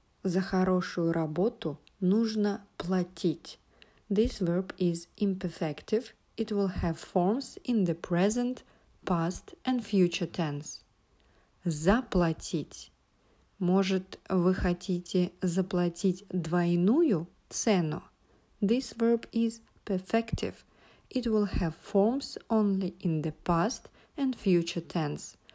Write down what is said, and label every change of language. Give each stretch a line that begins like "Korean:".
Russian: За хорошую работу нужно платить.
English: This verb is imperfective. It will have forms in the present, past and future tense.
Russian: Заплатить. Может, вы хотите заплатить двойную цену?
English: This verb is perfective. It will have forms only in the past and future tense.